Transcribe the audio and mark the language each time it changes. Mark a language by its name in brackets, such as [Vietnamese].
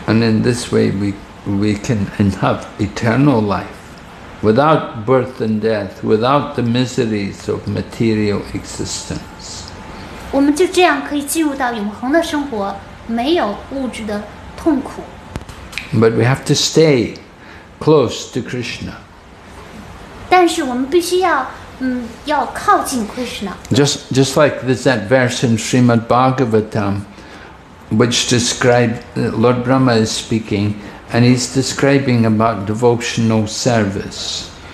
[English] And in this way, we can have eternal life, without birth and death, without the miseries of material existence. [Chinese] 我们就这样可以进入到永恒的生活。没有物质的痛苦。 [English] But we have to stay close to Krishna. [Chinese] 但是我们必须要靠近 Krishna. [English] Just like this verse in Srimad Bhagavatam, which describe Lord Brahma is speaking, and he's describing about devotional service.